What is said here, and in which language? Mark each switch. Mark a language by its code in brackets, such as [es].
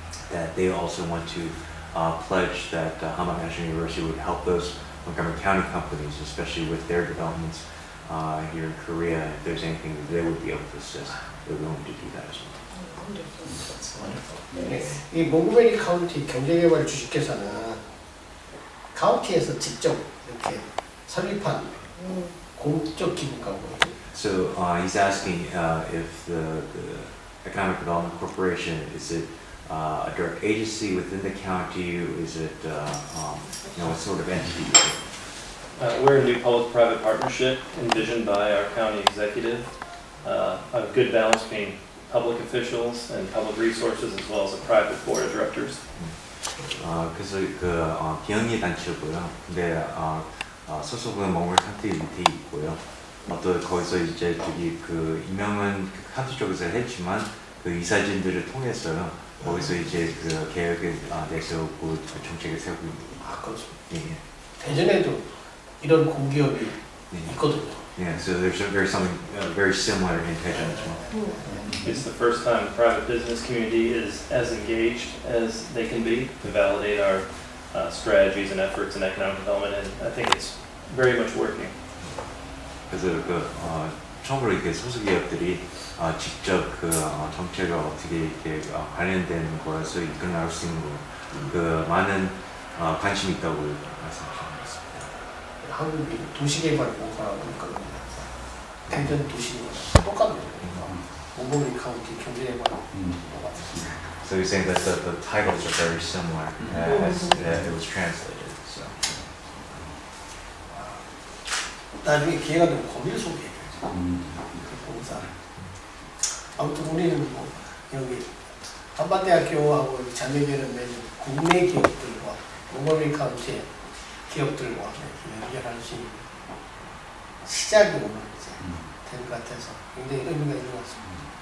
[en] That they also want to pledge that Hama National University would help those Montgomery County companies, especially with their developments here in Korea. If there's anything that they would be able to assist, they're willing to do that as well. Wonderful. That's wonderful. Yes. [ko] 이 모금리 카운티 경제개발 주식회사는 카운티에서 직접 이렇게 설립한 공적 기관이고. [en] So he's asking if the Economic Development Corporation is it. A direct agency within the county, is it, what sort of entity is it? We're a new public-private partnership envisioned by our county executive. A good balance between public officials and public resources as well as a private board of directors. [ko] 그래서 비영리 단체고요. 근데 소속은 먹물 카운티에 있고요. 또 거기서 이제 저기 그 임명은 카운티 쪽에서 했지만 그 이사진들을 통해서요. 거기서 이제 그 계획에 대해서 그 정책을 세우고 있는 거죠. 아, 그렇죠. 예. 대전에도 이런 공기업이 예. 있거든요. [en] Yeah, so there's very something very similar in 대전 as well. It's the first time the private business community is as engaged as they can be to validate our strategies and efforts in economic development, and I think it's very much working. [ko] 그래서 그 처음으로 이렇게 소수 기업들이 직접 그 정책을 어떻게 이렇게 관련된 거에서 이끌어 나갈 수 있는 거, 그 많은 관심이 있다고 말씀하셨습니다. 한국이 도시개발 공사니까 대전 도시와 똑같네요. 모금리 카운티 경제개발. [en] So you're saying that the titles are very similar as it was translated. So. [ko] 나중에 기회가 되면 거기를 소개해야죠. 그 공사. 아무튼 우리는 뭐 여기 한밭대학교하고 자매들은 매주 국내 기업들과 모금리 카운티 기업들과 연결할 수 있는 시작이 오늘 이제 된 것 같아서 굉장히 의미가 있는 것 같습니다.